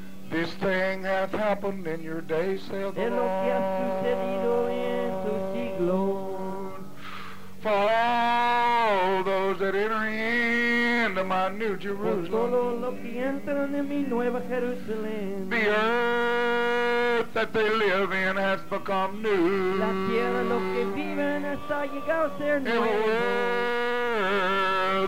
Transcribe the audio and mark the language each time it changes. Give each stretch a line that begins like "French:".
English: This thing hath happened in your day, saith the Lord.
Spanish: Es lo que ha sucedido en tu siglo.
English: For all those that enter into my new Jerusalem, the earth that they live in has become new. And